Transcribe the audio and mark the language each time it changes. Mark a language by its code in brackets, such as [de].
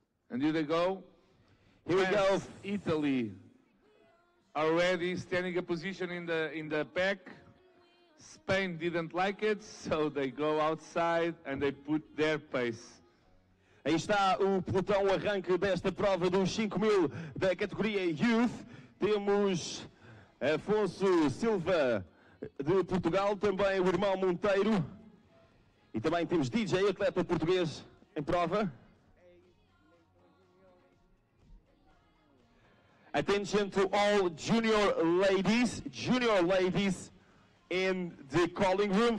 [en] And here they go. Here we go. Italy already standing a position in the pack. Spain didn't like it, so they go outside and they put their pace. [pt] Aí está o pelotão arranque desta prova dos 5000 da categoria Youth. Temos Afonso Silva de Portugal, também o irmão Monteiro. E também temos DJ, atleta português, em prova. [en] Attention to all junior ladies in the calling room.